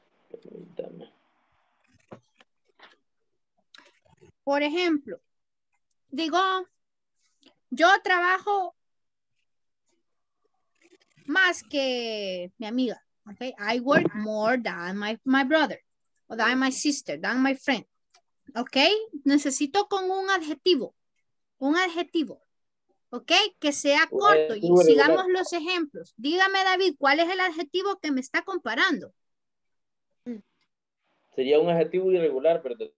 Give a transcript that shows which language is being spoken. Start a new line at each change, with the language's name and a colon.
Spanish: Permítame. Por ejemplo, digo, yo trabajo más que mi amiga.
English: Okay, I work more than my brother, or than my sister, than my friend.
Spanish: Ok, necesito con un adjetivo, ok, que sea corto y sigamos los ejemplos. Dígame, David, ¿cuál es el adjetivo que me está comparando? Sería un adjetivo irregular, pero...